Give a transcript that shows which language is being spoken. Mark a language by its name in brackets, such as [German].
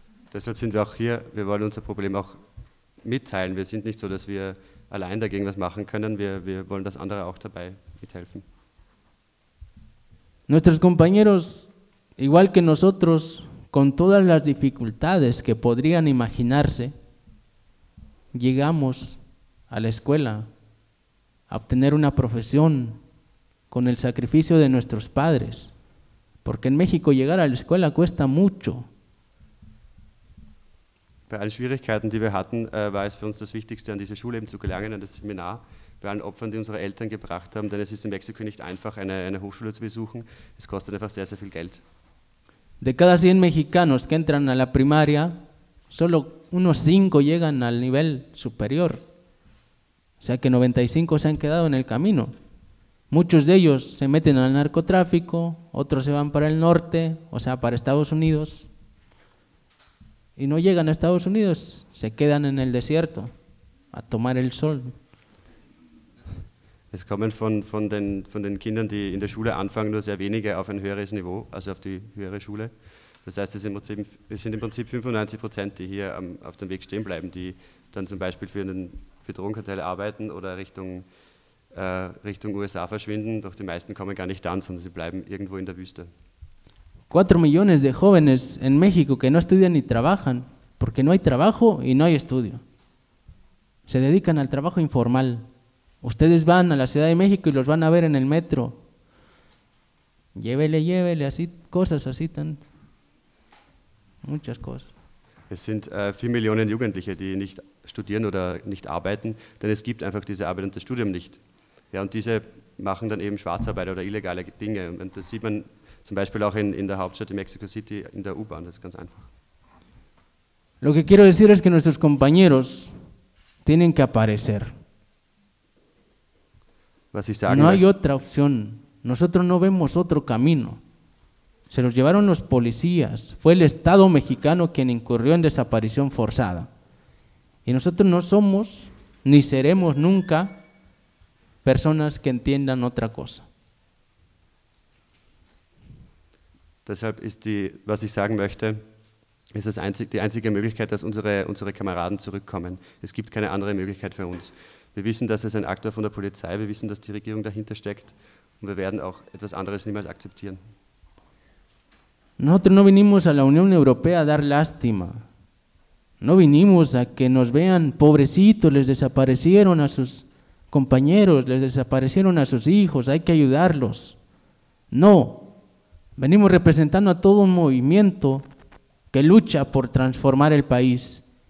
[German] Deshalb sind wir auch hier, wir wollen unser Problem auch mitteilen. Wir sind nicht so, dass wir allein dagegen was machen können. Wir wollen, dass andere auch dabei mithelfen. [Spanish] Nuestros compañeros, igual que nosotros, con todas las dificultades que podrían imaginarse, llegamos a la escuela a obtener una profesión con el sacrificio de nuestros padres. Porque en México llegar a la escuela cuesta mucho. [German] Bei allen Schwierigkeiten, die wir hatten, war es für uns das Wichtigste, an diese Schule eben zu gelangen, an das Seminar. Bei allen Opfern, die unsere Eltern gebracht haben, denn es ist in Mexiko nicht einfach, eine Hochschule zu besuchen. Es kostet einfach sehr, sehr viel Geld. [Spanish] De cada 100 Mexicanos que entran a la primaria, solo unos 5 llegan al nivel superior. O sea que 95 se han quedado en el camino. Muchos de ellos se meten al narcotráfico, otros se van para el norte, o sea, para Estados Unidos. Y no llegan a Estados Unidos, se quedan en el desierto a tomar el sol. [German] Es kommen von den Kindern, die in der Schule anfangen, nur sehr wenige auf ein höheres Niveau, also auf die höhere Schule. Das heißt, es sind im Prinzip 95%, die hier auf dem Weg stehen bleiben, die dann zum Beispiel für Drogenkartelle arbeiten oder Richtung USA verschwinden, doch die meisten kommen gar nicht an, sondern sie bleiben irgendwo in der Wüste. [Spanish] 4 [German] Millionen [Spanish] de jóvenes en México que no estudian ni trabajan, porque no hay trabajo y no hay estudio. Se dedican al trabajo informal. Ustedes van a la Ciudad de México y los van a ver en el metro. Llévele, llévele, así, cosas así, tan muchas cosas. [German] Es sind 4 Millionen Jugendliche, die nicht studieren oder nicht arbeiten, denn es gibt einfach diese Arbeit und das Studium nicht. Ja, und diese machen dann eben Schwarzarbeit oder illegale Dinge. Und das sieht man zum Beispiel auch in der Hauptstadt, in Mexico City, in der U-Bahn. Das ist ganz einfach. [Spanish] Lo que quiero decir es que nuestros compañeros tienen que aparecer. [German] Was ich sagen [Spanish] No hay otra opción. Nosotros no vemos otro camino. Se los llevaron los policías. Fue el Estado mexicano quien incurrió en desaparición forzada. Y nosotros no somos ni seremos nunca personas que entiendan otra cosa. [German] Deshalb ist die, was ich sagen möchte, ist das einzig, die einzige Möglichkeit, dass unsere Kameraden zurückkommen. Es gibt keine andere Möglichkeit für uns. Wir wissen, dass es ein Akt war von der Polizei, wir wissen, dass die Regierung dahinter steckt und wir werden auch etwas anderes niemals akzeptieren. [Spanish] Nosotros no vinimos a la Unión Europea a dar lástima. No vinimos a que nos vean pobrecitos, les desaparecieron a sus compañeros, les desaparecieron a sus hijos, hay que ayudarlos. No, venimos representando a todo un movimiento que lucha por transformar el país.